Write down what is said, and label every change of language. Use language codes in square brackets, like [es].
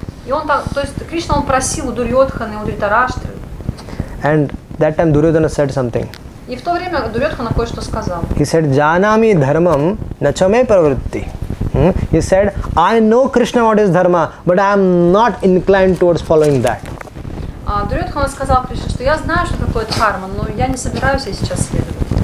[ru] И он так, то есть Кришна он просил у Дурьодханы, у Дхритарашты. [en] And that time Duryodhana said something. [ru] И в то время Дурьодхана кое-что сказал. [en] He said, [sa] Janami dharmam nachame pravritti. [en] He said, I know Krishna what is dharma, but I am not inclined towards following that. [ru] Дурьодхана сказал Кришне, что я знаю, что такое дхарма, но я не собираюсь сейчас следовать.